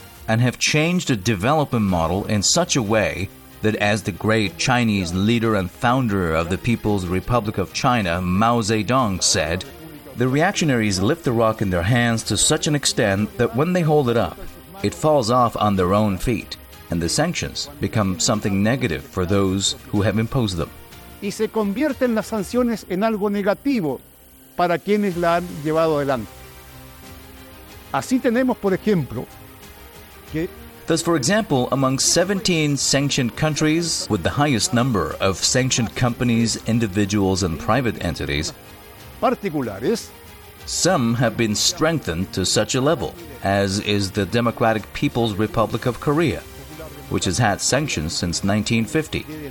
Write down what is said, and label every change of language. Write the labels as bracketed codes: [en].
[en] and have changed the development model in such a way that as the great Chinese leader and founder of the People's Republic of China, Mao Zedong, said, the reactionaries lift the rock in their hands to such an extent that when they hold it up, it falls off on their own feet, and the sanctions become something negative for those who have imposed them. [es] Y se convierten las sanciones en algo negativo para quienes la han llevado adelante. Así tenemos, por ejemplo, que... [en] Thus, for example, among 17 sanctioned countries with the highest number of sanctioned companies, individuals, and private entities, [es] particulares, [en] some have been strengthened to such a level, as is the Democratic People's Republic of Korea, which has had sanctions since 1950.